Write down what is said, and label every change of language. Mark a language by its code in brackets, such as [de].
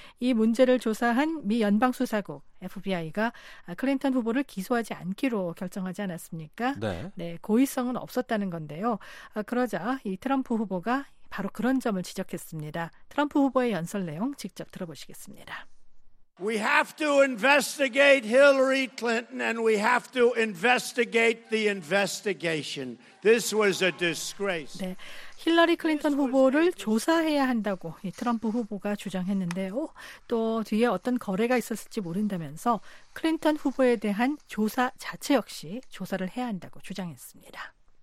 [ko] 이 문제를 조사한 미 연방수사국 FBI가 클린턴 후보를 기소하지 않기로 결정하지 않았습니까? 네. 네, 고의성은 없었다는 건데요. 그러자 이 트럼프 후보가 바로 그런 점을 지적했습니다. 트럼프 후보의 연설 내용 직접 들어보시겠습니다. [en] We have to investigate Hillary Clinton and we have to investigate the investigation. This was a disgrace. [ko] 네. 힐러리 클린턴 후보를 조사해야 한다고 이 트럼프 후보가 주장했는데요. 또 뒤에 어떤 거래가 있었을지 모른다면서 클린턴 후보에 대한 조사 자체 역시 조사를 해야 한다고 주장했습니다.